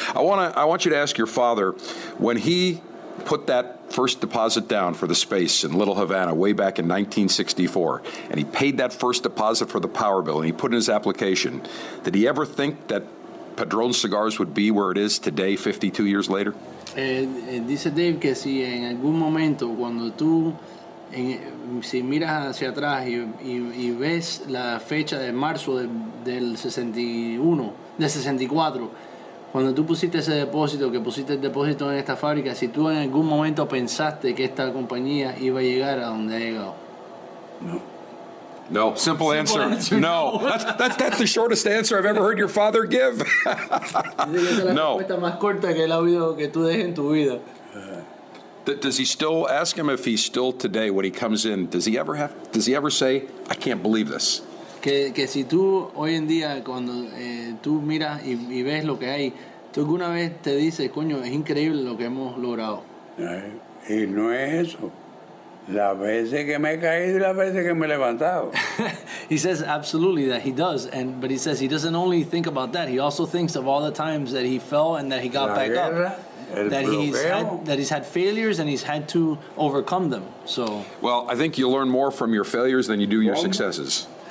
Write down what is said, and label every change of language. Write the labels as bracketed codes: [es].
[en] I want you to ask your father, when he put that first deposit down for the space in Little Havana way back in 1964, and he paid that first deposit for the power bill, and he put in his application, did he ever think that Padron Cigars would be where it is today, 52 years later? [es] Dice Dave que si en algún momento, cuando tú, si miras hacia atrás y ves la fecha de marzo del 61, del 64, cuando tú pusiste ese depósito, que pusiste el depósito en esta fábrica, si tú en algún momento pensaste que esta compañía iba a llegar a donde ha llegado. [en] No. Simple answer. No. That's the shortest answer I've ever heard your father give. No. [es] La respuesta más corta que él ha oído que tú dejes en tu vida. [en] Does he still ask him if he's still today when he comes in? Does he ever say, I can't believe this? [es] Que si tú hoy en día cuando tú miras y ves lo que hay, tú alguna vez te dices, coño, es increíble lo que hemos logrado. Y no es eso. Las veces que me he caído y las veces que me he levantado. [en] He says absolutely that he does, and but he says he doesn't only think about that. He also thinks of all the times that he fell and that he got [es] la [en] back [es] guerra, [en] up. That he's had failures and he's had to overcome them. So. Well, I think you learn more from your failures than you do your successes.